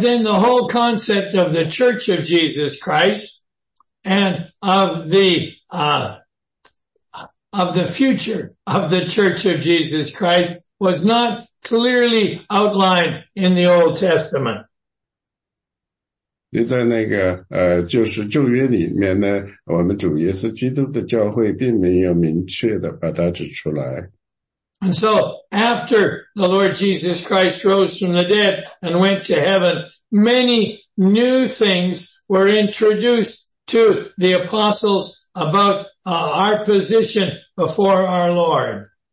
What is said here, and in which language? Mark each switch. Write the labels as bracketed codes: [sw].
[en] then the whole concept of the Church of Jesus Christ and of the future of the Church of Jesus Christ was not clearly outlined in the Old Testament. [zh] 就在那个，就是旧约里面呢，我们主耶稣基督的教会并没有明确的把它指出来。 [en] And so, after the Lord Jesus Christ rose from the dead and went to heaven, many new things were introduced to the apostles about our position before our Lord.